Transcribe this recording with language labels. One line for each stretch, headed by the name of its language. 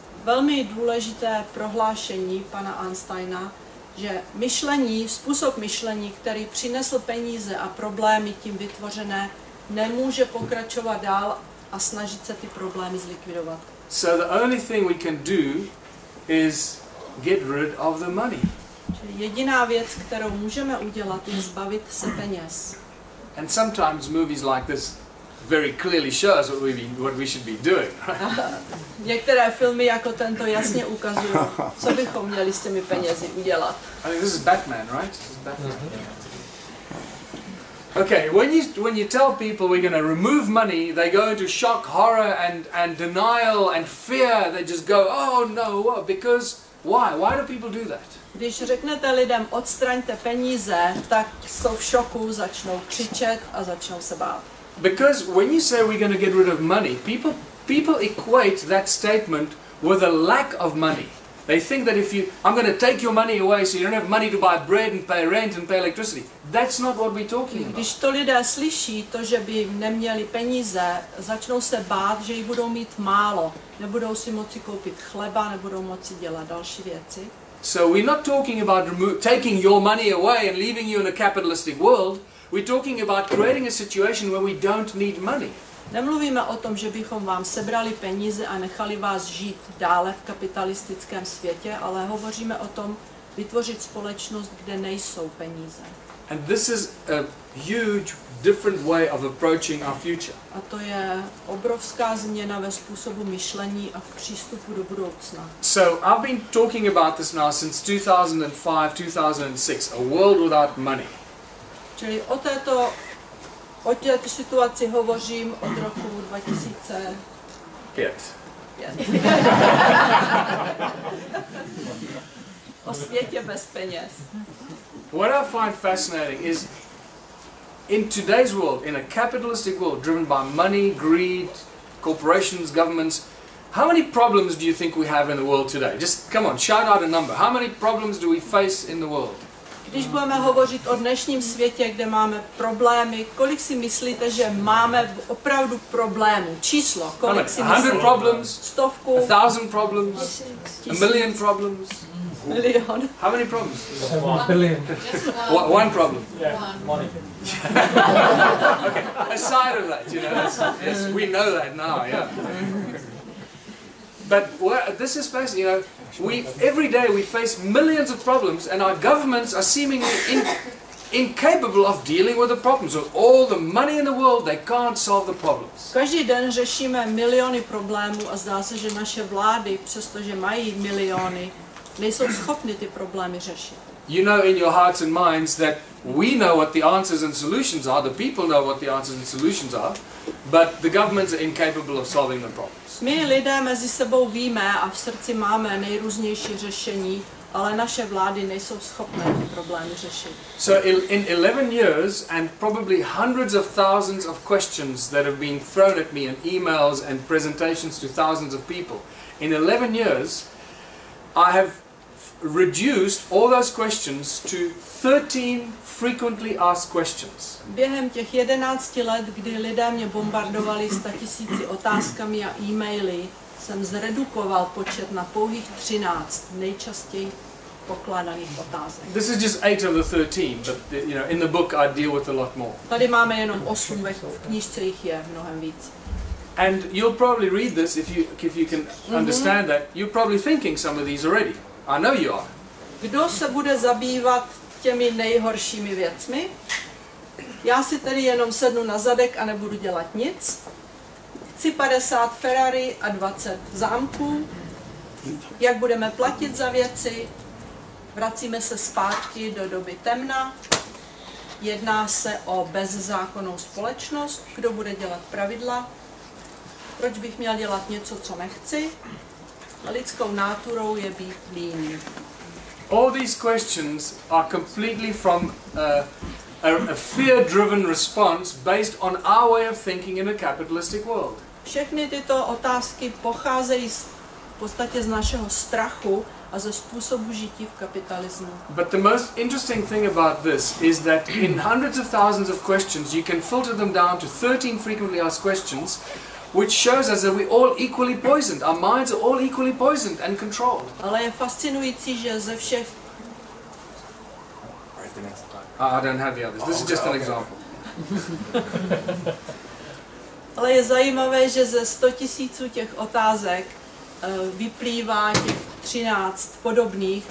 Czech: Velmi důležité prohlášení pana Einsteina, že myšlení, způsob myšlení, který přinesl peníze a problémy tím vytvořené, nemůže pokračovat dál a snažit se ty problémy zlikvidovat.
English: So the only thing we can do is get rid of the money.
Czech: Čili jediná věc, kterou můžeme udělat, je zbavit se peněz.
English: And sometimes movies like this very clearly show us what we should be doing.
Czech: Některé filmy jako tento jasně ukazují, co bychom měli s těmi penězi udělat.
English: I mean, this is Batman, right? This is Batman. Mm-hmm. Okay, when you tell people we're going to remove money, they go into shock, horror and denial and fear. They just go, oh no, because why? Why do people do that?
Czech: Když řeknete lidem odstraňte peníze, tak jsou v šoku, začnou křičet a začnou se bát.
English: Because when you say we're going to get rid of money, people equate that statement with a lack of money. They think that I'm going to take your money away so you don't have money to buy bread and pay rent and pay electricity. That's not what we're talking about.
Czech: Když to lidé slyší, to, že by neměli peníze, začnou se bát, že jich budou mít málo. Nebudou si moci koupit chleba, nebudou moci dělat další věci.
English: So we're not talking about taking your money away and leaving you in a capitalistic world. We're talking about creating a situation where we don't need money.
Czech: Nemluvíme o tom, že bychom vám sebrali peníze a nechali vás žít dále v kapitalistickém světě, ale hovoříme o tom, vytvořit společnost, kde nejsou peníze.
English: And this is a huge different way of approaching our future.
Czech: A to je obrovská změna ve způsobu myšlení a v přístupu do budoucna.
English: So I've been talking about this now since 2005, 2006, a world without money.
Czech: Čili o této situaci hovořím od roku 2005. O světě bez peněz.
English: What I find fascinating is in today's world, in a capitalistic world driven by money, greed, corporations, governments, how many problems do you think we have in the world today? Just come on, shout out a number. How many problems do we face in the world?
Czech: Když budeme hovořit o dnešním světě, kde máme problémy, kolik si myslíte, že máme opravdu problémů? Číslo, kolik si myslíte?
English: 100 problems, 1000 problems, a million problems. Million. How many problems? One. Billion. One problem. Yeah. Money. Okay. Aside of that, you know, yes, we know that now, yeah. But this is basically, you know, every day we face millions of problems, and our governments are seemingly incapable of dealing with the problems. With all the money in the world, they can't solve the problems.
Czech: Každý den řešíme miliony problémů a zdá se, že naše vlády, přestože mají miliony, nejsou schopni ty problémy řešit.
English: You know in your hearts and minds that we know what the answers and solutions are, the people know what the answers and solutions are, but the governments are incapable of solving the problems.
Czech: My lidé mezi sebou víme a v srdci máme nejrůznější řešení, ale naše vlády nejsou schopné ty problémy řešit.
English: So in 11 years and probably hundreds of thousands of questions that have been thrown at me in emails and presentations to thousands of people, in 11 years I have reduced all those questions to 13 frequently asked questions.
Czech: Během těch 11 let, kdy lidé mě bombardovali statisíci otázkami a e-maily, jsem zredukoval počet na pouhých 13 nejčastěji pokládaných otázek.
English: This is just 8 of the 13, but you know, in the book I deal with a lot more.
Czech: Tady máme jenom 8, v knížce jich je mnohem víc.
English: And you'll probably read this if you can understand that you're probably thinking some of these already. I know you are.
Czech: Kdo se bude zabývat těmi nejhoršími věcmi? Já si tedy jenom sednu na zadek a nebudu dělat nic. Chci 50 Ferrari a 20 zámků. Jak budeme platit za věci? Vracíme se zpátky do doby temna. Jedná se o bezzákonnou společnost. Kdo bude dělat pravidla? Proč bych měl dělat něco, co nechci? A lidskou náturou je být líný.
English: All these questions are completely from a fear-driven response based on our way of thinking in a capitalistic world.
Czech: Všechny tyto otázky pocházejí v podstatě z našeho strachu a ze způsobu žití v kapitalismu.
English: But the most interesting thing about this is that in hundreds of thousands of questions you can filter them down to 13 frequently asked questions, which shows us that we all equally poisoned. Our minds are all equally poisoned and controlled.
Czech: Ale je fascinující, že ze všech...
English: I don't have the others. This is just an example.
Czech: Ale je zajímavé, že ze 100 tisíců těch otázek vyplývá těch 13 podobných.